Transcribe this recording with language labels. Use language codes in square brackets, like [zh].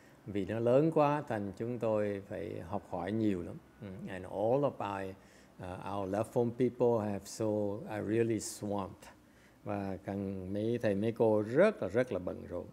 [vi] Vì nó lớn quá, thành chúng tôi phải học hỏi nhiều lắm. [en] And all of our left home people are really swamped. [vi] Và càng mấy thầy mấy cô rất là bận rộn.